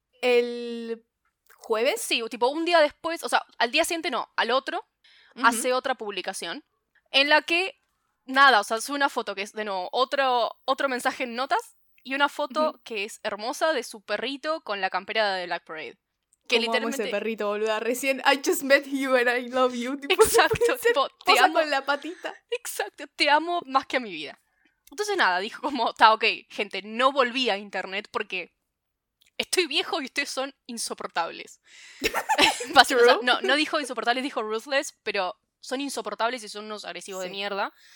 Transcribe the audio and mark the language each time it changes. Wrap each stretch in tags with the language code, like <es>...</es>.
<es>¿El jueves? Sí, tipo un día después, o sea, al día siguiente no, al otro, uh-huh. Hace otra publicación en la que, nada, o sea, hace una foto que es, de nuevo, otro mensaje en notas y una foto uh-huh. que es hermosa de su perrito con la campera de Black Parade. Que ¿cómo literalmente... amo ese perrito, boluda?</es> <en>Recién, I just met you and I love you.</en> <es>Tipo, exacto, tipo, te amo. Con la patita. Exacto, te amo más que a mi vida. Entonces nada, dijo como, está ok, gente, no volví a internet porque estoy viejo y ustedes son insoportables. Básico, o sea, no dijo insoportables, dijo ruthless, pero son insoportables y son unos agresivos sí. de mierda.</es>